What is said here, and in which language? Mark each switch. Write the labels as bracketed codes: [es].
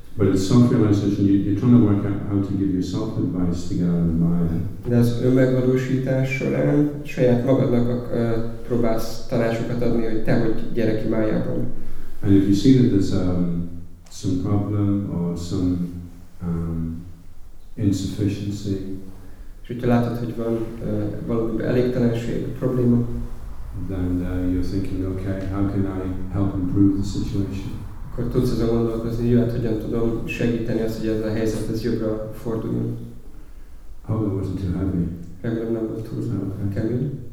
[en] But it's self-realization, you're trying to work out how to give yourself advice to get out of mind. [hu] De az önmegvalósítás során saját magadnak próbálsz tanácsokat adni, hogy te hogy gyere ki májából. [en] And if you see that there's some problem or some insufficiency. [hu] És hogyha látod, hogy van valamiben elégtelenség, probléma. [en] Then you're thinking, okay, how can I help improve the situation? [hu] Akkor tudsz azon gondolkozni, hogy hogyan tudom segíteni azt, hogy ez a helyzet ez jobbra forduljon. [en] Hope it wasn't too heavy. [hu] Remélem nem volt túl kemény.